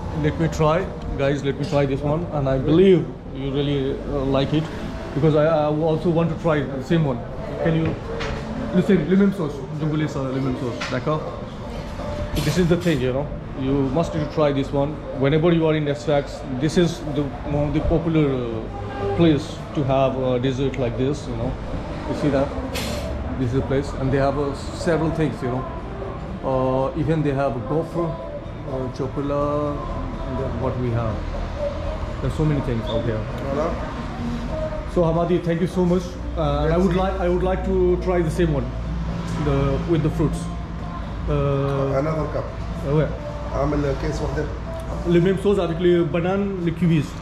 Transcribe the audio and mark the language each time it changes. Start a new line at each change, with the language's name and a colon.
English: Let me try this one, and I believe you really like it, because I also want to try the same one. Can you listen?
French: Le même sauce, je voulais ça, le même sauce, d'accord?
English: This is the thing, you know, you must try this one whenever you are in Sfax. This is the one of the popular place to have a dessert like this, you know. You see that? This is the place, and they have several things, you know. Even they have gopher, chocolate, what we have. There's so many things out here.
French: Voilà.
English: So Hamadi, thank you so much. I would like to try the same one, with the fruits. Another cup. Where? I'm in the case of the.
French: Le même sauce avec les bananes, les kiwis.